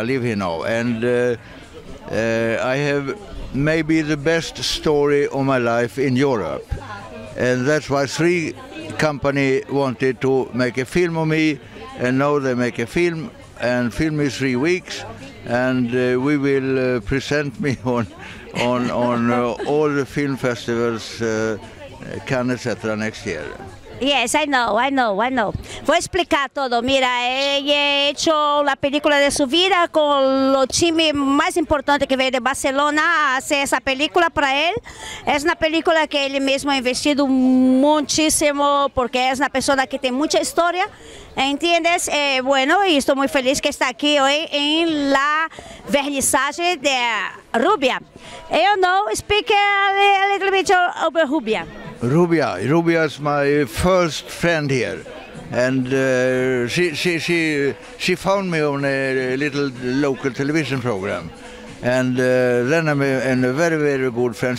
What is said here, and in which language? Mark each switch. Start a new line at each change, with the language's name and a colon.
English: I live here now, and I have maybe the best story of my life in Europe, and that's why 3 companies wanted to make a film of me, and now they make a film, and film is 3 weeks, and we will present me on all the film festivals, Cannes, etc. next year. Yes, I know.
Spanish: Voy a explicar todo. Mira, ella ha hecho la película de su vida con el equipo más importante que viene de Barcelona a hacer esa película para él. Es una película que él mismo ha investido muchísimo porque es una persona que tiene mucha historia, ¿entiendes? Bueno, y estoy muy feliz que está aquí hoy en la vernizaje de Rubia.
English: You know, speak a little bit about Rubia. Rubia is my first friend here, and she found me on a little local television program, and then I'm a very, very good friend.